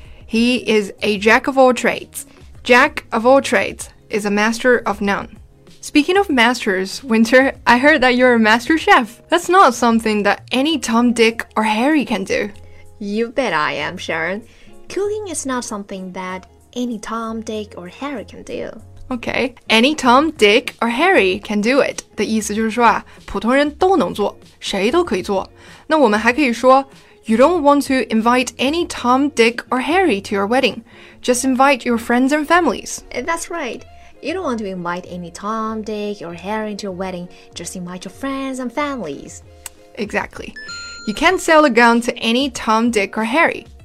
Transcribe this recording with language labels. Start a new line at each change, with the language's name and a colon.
English: He is a Jack of all trades. Jack of all trades is a master of none. Speaking of masters, Winter, I heard that you're a master chef. That's not something that any Tom, Dick, or Harry can do. You bet I am, Sharon. Cooking is not something that any Tom, Dick, or Harry can do. Okay, any Tom, Dick, or Harry can do it.
Chinese: 的意思就是说啊，普通人都能做，谁都可以做。那我们还可以说
English: You don't want to invite any Tom, Dick, or Harry to your wedding. Just invite your friends and families. That's right. You don't want to invite any Tom, Dick, or Harry to your wedding. Just invite your friends and families. Exactly. You can't sell a gun to any Tom, Dick, or Harry.